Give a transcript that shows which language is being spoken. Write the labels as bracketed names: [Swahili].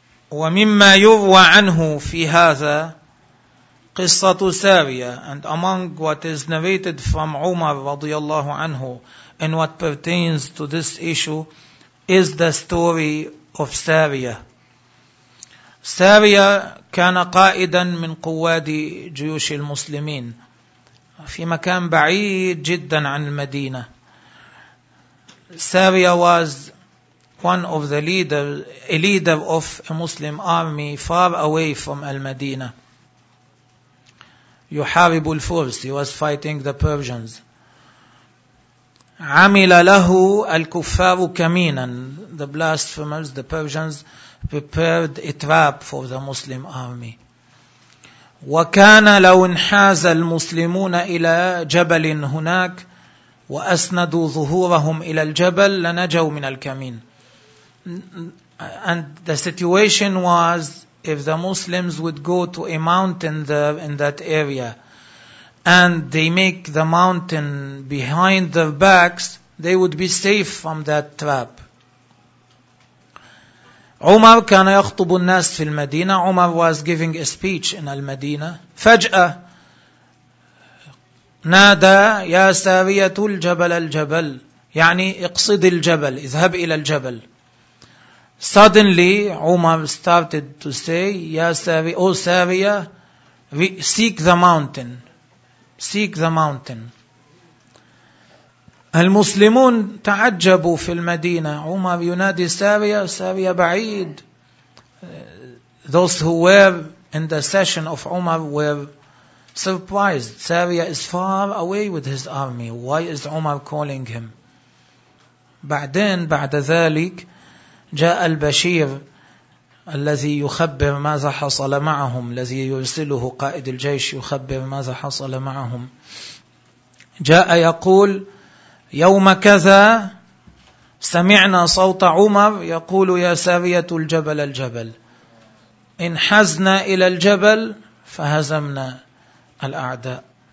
[Arabic] وَمِمَّا يُرْوَى عَنْهُ فِي هَذَا قِصَّةُ سَارِيَةٍ. [English] And among what is narrated from Umar [Arabic] رضي الله عنه [English] and what pertains to this issue is the story of Saria. [Arabic] Saria كان قائدا من قواد جيوش المسلمين في مكان بعيد جدا عن المدينة. [English] Saria was one of the leaders, a leader of a Muslim army far away from Al-Madinah. [Arabic] يحارب الفرس, [English] he was fighting the Persians. [Arabic] عمل له الكفار كمينا. [English] The blasphemers, the Persians, prepared a trap for the Muslim army. [Arabic] وكان لو انحاز المسلمون إلى جبل هناك وأسندوا ظهورهم إلى الجبل لنجوا من الكمين. [English] And the situation was, if the Muslims would go to a mountain there in that area, and they make the mountain behind their backs, they would be safe from that trap. [Arabic] Umar كان يخطب الناس في المدينة. [English] Umar was giving a speech in المدينة. [Arabic] فجأة نادى يا سارية الجبل الجبل, يعني اقصد الجبل, اذهب إلى الجبل. [English] Suddenly Umar started to say, [Arabic] يَا سَارِيَةُ, [English] oh Saria, seek the mountain. Seek the mountain. [Arabic] المسلمون تعجبوا في المدينة. Umar ينادي سارية, سارية بعيد. [English] Those who were in the session of Umar were surprised. Saria is far away with his army. Why is Umar calling him? [Arabic] بعدين بعد ذلك جاء البشير الذي يخبر ماذا حصل معهم, الذي يرسله قائد الجيش يخبر ماذا حصل معهم. جاء يقول يوم كذا سمعنا صوت عمر يقول يا سارية الجبل الجبل, انحزنا إلى الجبل فهزمنا الأعداء.